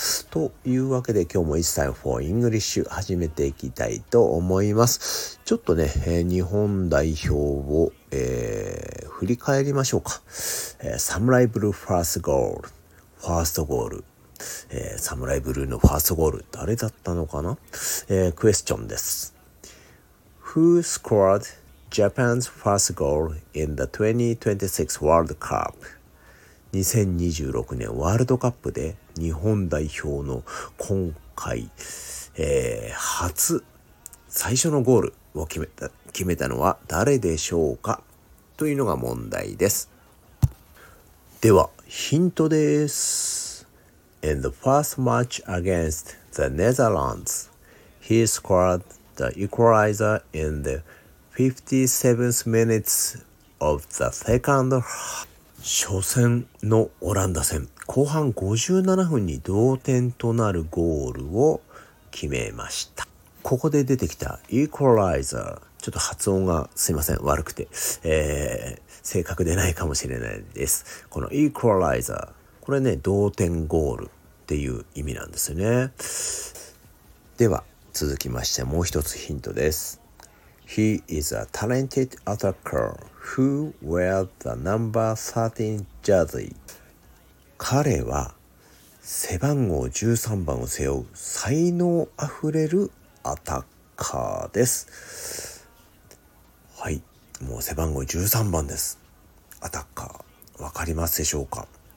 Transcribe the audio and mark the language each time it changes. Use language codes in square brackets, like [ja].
[ja] というわけで今日も1歳4イングリッシュ始めていきたいと思います。ちょっとね、日本代表を、振り返りましょうか。サムライブルーファーストゴール、サムライブルーのファーストゴール誰だったのかな、クエスチョンです。 [en] Who scored Japan's first goal in the 2026 World Cup? [ja] 2026年ワールドカップで日本代表の今回、最初のゴールを決めたのは誰でしょうかというのが問題です。ではヒントです。 [en] In the first match against the Netherlands, he scored the equalizer in the 57th minutes of the second half。 [ja] 初戦のオランダ戦、後半57分に同点となるゴールを決めました。ここで出てきたイコライザー、ちょっと発音がすいません、悪くて、正確でないかもしれないです。このイコライザー、これね、同点ゴールっていう意味なんですよね。では、続きましてもう一つヒントです。 [en] He is a talented attacker who wears the number 13 jersey. [ja] 彼は背番号13番を背負う才能あふれるアタッカーです。はい、もう背番号13番です。アタッカー、わかりますでしょうか。